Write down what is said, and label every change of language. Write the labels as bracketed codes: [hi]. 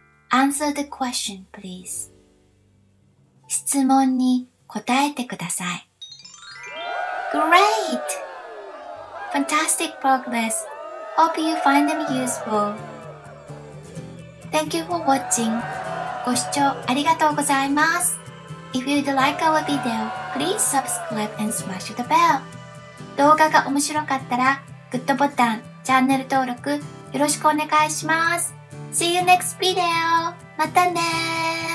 [en] Answer the question, please. [ja] 質問に答えてください。 [en] Great! Fantastic progress. Hope you find them useful. Thank you for watching. [ja] ご視聴ありがとうございます。 [en] If you'd like our video, please subscribe and smash the bell. [ja] 動画が面白かったら、グッドボタン、チャンネル登録、よろしくお願いします。 [en] See you next video! [ja] またねー!